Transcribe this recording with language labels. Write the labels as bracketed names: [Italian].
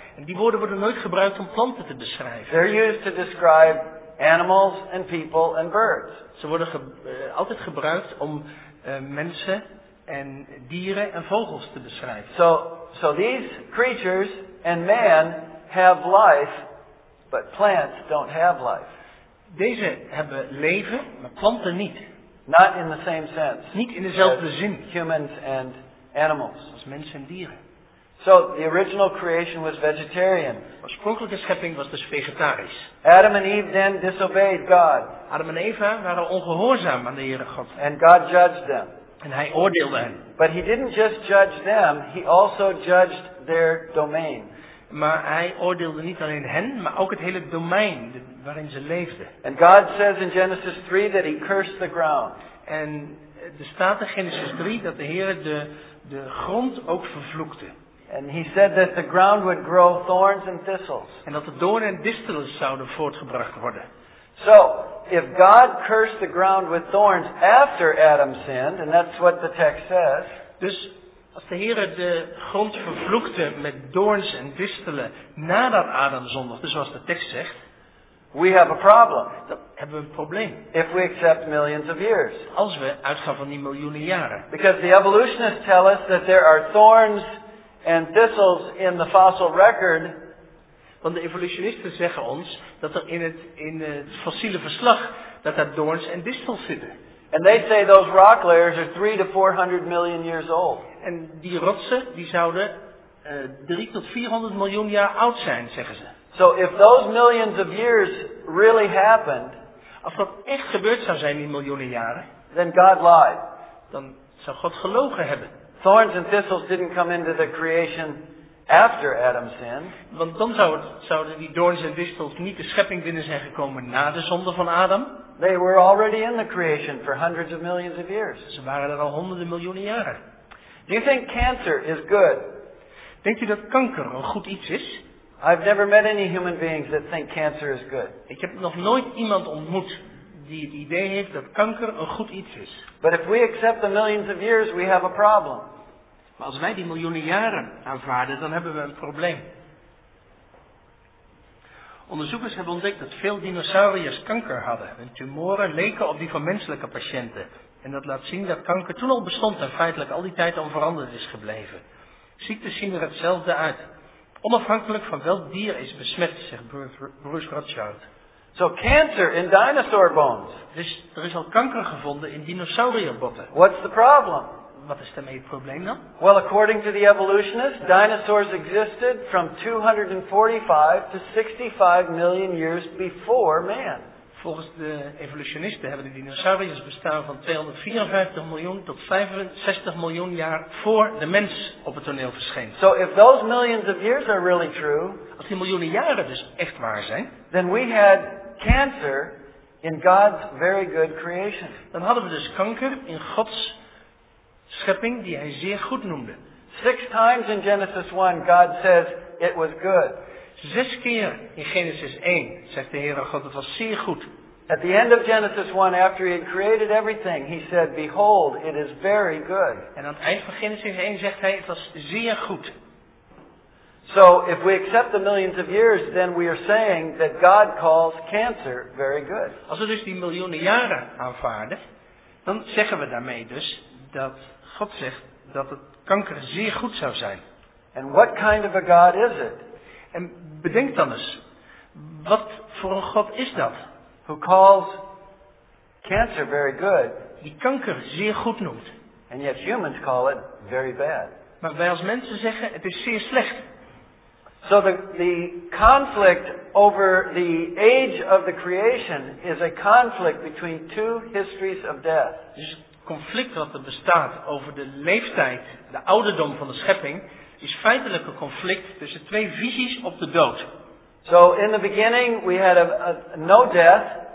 [Dutch] En die woorden worden nooit gebruikt om planten te beschrijven. [English] They're used to describe animals and people and birds. [Dutch] Ze worden altijd gebruikt om mensen en dieren en vogels te beschrijven. [English] So these creatures and man have life, but plants don't have life. [Dutch] Deze hebben leven, maar planten niet. [English] Not in the same sense. [Dutch] Niet in dezelfde zin. [English] Humans and animals. [Dutch] Als mensen en dieren. [English] So the original creation was vegetarian. [Dutch] Oorspronkelijke schepping was dus vegetarisch. [English] Adam and Eve then disobeyed God. [Dutch] Adam en Eva waren ongehoorzaam aan de Heere God. [English] And God judged them. [Dutch] En hij oordeelde hen. [English] But he didn't just judge them, he also judged their domain. [Dutch] Maar hij oordeelde niet alleen hen, maar ook het hele domein waarin ze leefden. [English] And God says in Genesis 3 that he cursed the ground. [Dutch] En er staat in Genesis 3 dat de Heere de grond ook vervloekte. [English] And he said that the ground would grow thorns and thistles. [Dutch] En dat de doornen en distelen zouden voortgebracht worden. [English] So, if God cursed the ground with thorns after Adam sinned, and that's what the text says. [Dutch] Dus als de Heere de grond vervloekte met doorns en distelen nadat Adam zondigde, zoals de tekst zegt. [English] We have a problem. [Dutch] Dan hebben we een probleem. [English] If we accept millions of years. [Dutch] Als we uitgaan van die miljoenen jaren. [English] Because the evolutionists tell us that there are thorns and thistles in the fossil record. [Dutch] Want de evolutionisten zeggen ons dat er in het fossiele verslag dat daar doorns en distels zitten. [English] And they say those rock layers are 300 to 400 million years old. [Dutch] En die rotsen die zouden 300 to 400 miljoen jaar oud zijn, zeggen ze. [English] So if those millions of years really happened, [Dutch] als dat echt gebeurd zou zijn die miljoenen jaren, [English] then God lied. [Dutch] Dan zou God gelogen hebben. [English] Thorns and thistles didn't come into the creation after Adam sinned. [Dutch] Want dan zouden die doorns en distels niet de schepping binnen zijn gekomen na de zonde van Adam. [English] They were already in the creation for hundreds of millions of years. [Dutch] Ze waren er al honderden miljoenen jaren. [English] Do you think cancer is good? [Dutch] Denk je dat kanker een goed iets is? [English] I've never met any human beings that think cancer is good. [Dutch] Ik heb nog nooit iemand ontmoet die het idee heeft dat kanker een goed iets is. [English] But if we accept the millions of years, we have a problem. [Dutch] Maar als wij die miljoenen jaren aanvaarden, dan hebben we een probleem. Onderzoekers hebben ontdekt dat veel dinosauriërs kanker hadden. Hun tumoren leken op die van menselijke patiënten. En dat laat zien dat kanker toen al bestond en feitelijk al die tijd onveranderd is gebleven. Ziektes zien er hetzelfde uit. Onafhankelijk van welk dier is besmet, zegt Bruce Rothschild. [English] So cancer in dinosaur bones. [Dutch] Dus er is al kanker gevonden in dinosauriërbotten. [English] What's the problem? [Dutch] Wat is daarmee het probleem dan? [English] Well, according to the evolutionists, dinosaurs existed from 245 to 65 million years before man. [Dutch] Volgens de evolutionisten hebben de dinosauriërs bestaan van 254 miljoen tot 65 miljoen jaar voor de mens op het toneel verscheen. [English] So if those millions of years are really true, [Dutch] als die miljoenen jaren dus echt waar zijn, [English] then we had cancer in God's very good creation. [Dutch] Dan hadden we dus kanker in Gods schepping die hij zeer goed noemde. [English] 6 times in Genesis 1 God says it was good. [Dutch] 6 keer in Genesis 1 zegt de Heere God het was zeer goed. [English] At the end of Genesis 1 after he had created everything he said behold it is very good. [Dutch] En aan het eind van Genesis 1 zegt hij het was zeer goed. [English] So if we accept the millions of years then we are saying that God calls cancer very good. [Dutch] Als we dus die miljoenen jaren aanvaarden dan zeggen we daarmee dus dat God zegt dat het kanker zeer goed zou zijn. [English] And what kind of a God is it? [Dutch] En bedenk dan eens, wat voor een God is dat? [English] Who calls cancer very good? [Dutch] Die kanker zeer goed noemt. [English] And yet humans call it very bad. [Dutch] Maar wij als mensen zeggen het is zeer slecht. [English] So the conflict over the age of the creation is a conflict between two histories of death. [Dutch] Conflict wat er bestaat over de leeftijd, de ouderdom van de schepping, is feitelijk een conflict tussen twee visies op de dood. [English] So in the beginning we had no death.